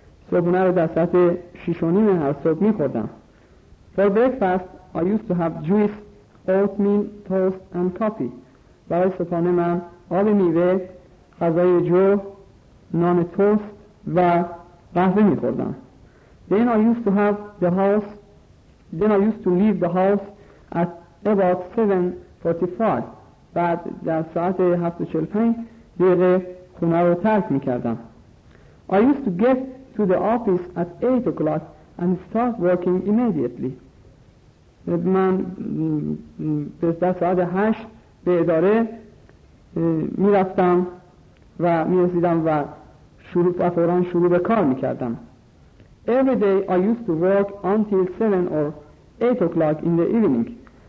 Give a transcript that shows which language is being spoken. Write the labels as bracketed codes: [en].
[fa] صبحونه رو در ساعت 6:30 هر صبح می خوردم. [en] For breakfast I used to have juice, oatmeal, toast and coffee. [fa] برای صبحانه من آب میوه، غذای جو، نان توست و قهوه می خوردم. [en] Then I used to have the house. Then I used to leave the house at about 7:45. [fa] بعد در ساعت 7:45 دیگه خونه رو ترک میکردم. [en] I used to get to the office at 8 o'clock and start working immediately. [fa] من در ساعت 8 به اداره میرفتم و میرسیدم و فوراً شروع به کار میکردم. [en] Every day I used to work until 7 or 8 o'clock in the evening.